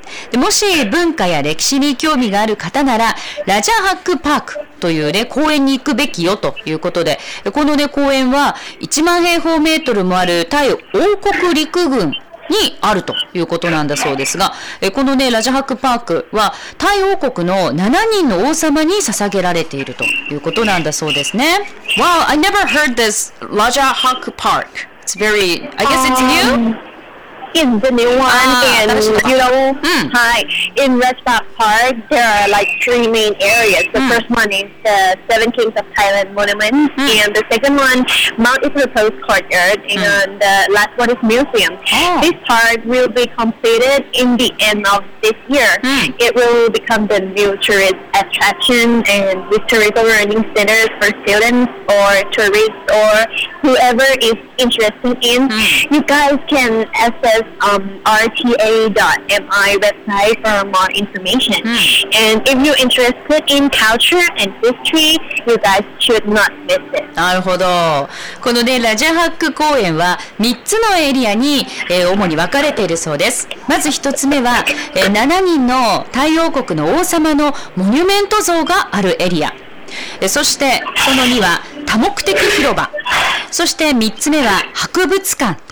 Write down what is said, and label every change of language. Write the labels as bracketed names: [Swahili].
[Japanese] でもし文化や歴史に興味がある方ならラジャハックパークというね公園に行くべきよということで、このね公園は1万平方メートルもあるタイ王国陸軍にあるということなんだそうですが、このね、ラジャハックパークは、タイ王国の7人の王様に捧げられているということなんだそうですね。 [English] Wow, I never heard this Rajahak Park. It's very, I guess it's new? It's the new one, and you know, hi. In Ratchathon Park, there are like 3 main areas. The first one is the Seven Kings of Thailand Monument, and the second one, Mount Itripos Courtyard, and the last one is Museum. This park will be completed in the end of this year. It will become the new tourist attraction and historical learning center for students or tourists or whoever is interested in. You guys can accessrta.mi website for more information. And if you're interested in culture and history, you guys should not miss it. [Japanese] なるほど。このね、ラジャハック公園は3つのエリアに、主に分かれているそうです。まず1つ目は、7人の太陽国の王様のモニュメント像があるエリア。そしてその2は多目的広場。そして3つ目は博物館。